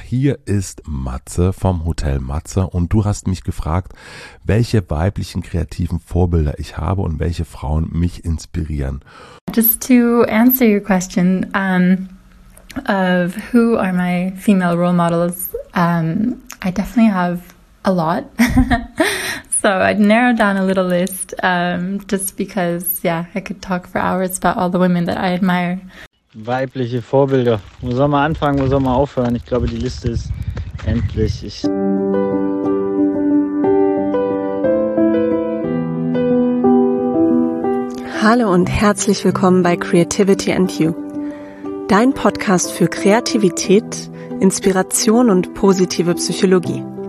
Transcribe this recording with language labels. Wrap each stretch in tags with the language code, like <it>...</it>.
<de>Hier ist Matze vom Hotel Matze und du hast mich gefragt, welche weiblichen kreativen Vorbilder ich habe und welche Frauen mich inspirieren.</de> <en>Just to answer your question of who are my female role models, I definitely have a lot. So I'd narrow down a little list just because, yeah, I could talk for hours about all the women that I admire.</en> <de>Weibliche Vorbilder. Wo soll man anfangen, wo soll man aufhören? Ich glaube, die Liste ist endlich. Hallo und herzlich willkommen bei Creativity and You. Dein Podcast für Kreativität, Inspiration und positive Psychologie.</de>